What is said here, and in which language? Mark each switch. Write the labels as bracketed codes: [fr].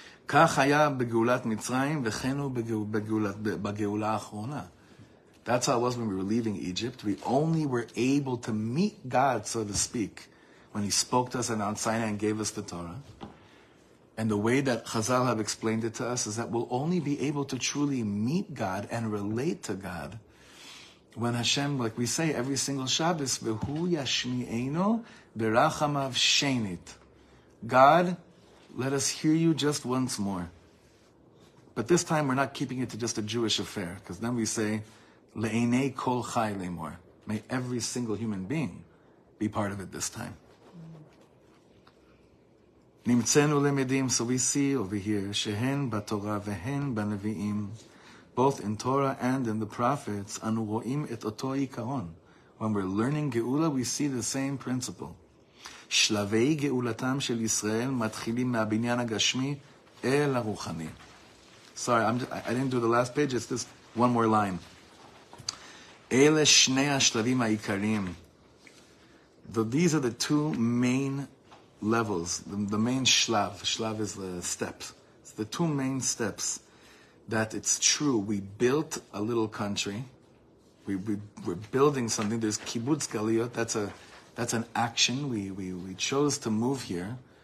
[he] כך היה בגאולת מצרים וכן הוא בגאולה האחרונה. [en] That's how it was when we were leaving Egypt. We only were able to meet God, so to speak, when he spoke to us on Mount Sinai and gave us the Torah. And the way that Chazal have explained it to us is that we'll only be able to truly meet God and relate to God when Hashem, like we say every single Shabbos, [he] Vehu yashmi'eino berachamav shenit. [en] God, let us hear you just once more. But this time we're not keeping it to just a Jewish affair, because then we say, [he] Le'enei kol chai le'mor. [en] May every single human being be part of it this time. [he] נמצאנו למדים, [en] so we see over here, [he] שהן בתורה והן בנביאים, [en] both in Torah and in the prophets, [he] אנו רואים את אותו עיקרון. [en] When we're learning Geula, we see the same principle. [he] שלבי גאולתם של ישראל מתחילים מהבניין הגשמי אל הרוחני. [en] Sorry, I didn't do the last page, it's just one more line. [he] אלה שני השלבים העיקריים. [en] These are the two main levels, the main shlav. Shlav is the steps. It's the two main steps that it's true. We built a little country. We're building something. There's kibbutz galiot. That's an action. We chose to move here.